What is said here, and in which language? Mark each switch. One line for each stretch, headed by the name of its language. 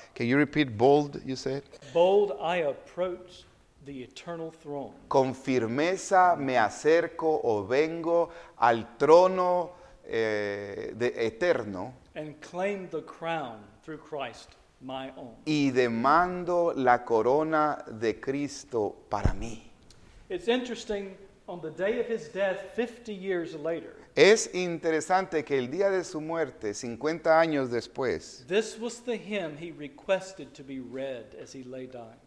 English: Can you repeat bold, you said? Bold I approach... the eternal throne.
Spanish: Con firmeza me acerco o vengo al trono de eterno.
English: And claim the crown through Christ, my own.
Spanish: Y demando la corona de Cristo para mí.
English: It's interesting, on the day of his death, 50 years later.
Spanish: Es interesante que el día de su muerte, 50 años después.
English: This was the hymn he requested to be read as he lay dying.